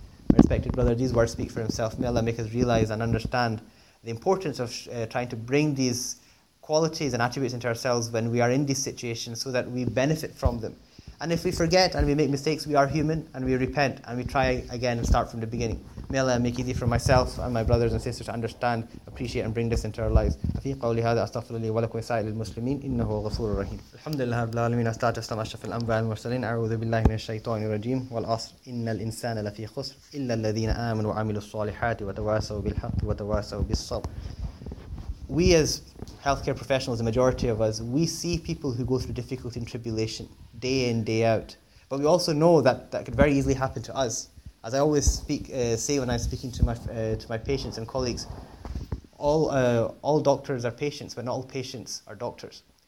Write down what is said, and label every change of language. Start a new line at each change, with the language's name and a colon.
English: My respected brother, these words speak for himself. May Allah make us realize and understand the importance of trying to bring these qualities and attributes into ourselves when we are in these situations, so that we benefit from them. And if we forget and we make mistakes, we are human and we repent and we try again and start from the beginning. May Allah make easy for myself and my brothers and sisters to understand, appreciate and bring this into our lives.
Arabic: أَفِي قَوْلِ هَذَا أَسْتَغْفِرُ لِي وَلَكُمْ وَلِسَائِرِ الْمُسْلِمِينَ إِنَّهُ غَفُورٌ رَحِيمٌ الحمد لله رب العالمين أستعد أستمع أشرف الأنبياء المرسلين أعوذ بالله من الشيطان الرجيم والعصر إن الإنسان لفي خسر إلا الذين آمنوا وعملوا الصالحات وتواسوا بالحق وتواسوا بالصبر.
English: We as healthcare professionals, the majority of us, we see people who go through difficulty and tribulation day in, day out. But we also know that that could very easily happen to us. As I always say when I'm speaking to my patients and colleagues, all doctors are patients, but not all patients are doctors.